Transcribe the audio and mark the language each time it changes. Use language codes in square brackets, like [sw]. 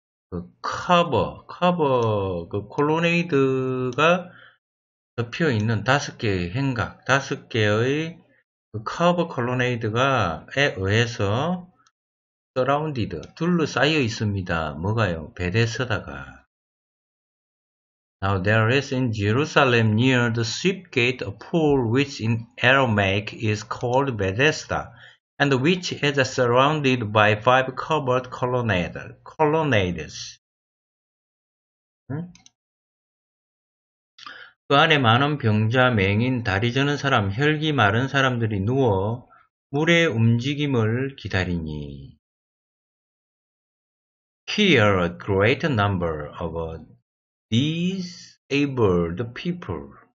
[ko] 그 커버 그 콜로네이드가 덮여 있는 다섯 개의 행각, 다섯 개의 그 커버 콜로네이드가에 의해서 서라운디드 둘러싸여 있습니다. 뭐가요? 베데스다가. [en] Now there is in Jerusalem near the sheep gate a pool which in Aramaic is called Bethesda and which is surrounded by five covered colonnades. [ko] 그 안에 많은 병자, 맹인, 다리 저는 사람, 혈기 마른 사람들이 누워 물의 움직임을 기다리니. [en] Here a great number of disabled people.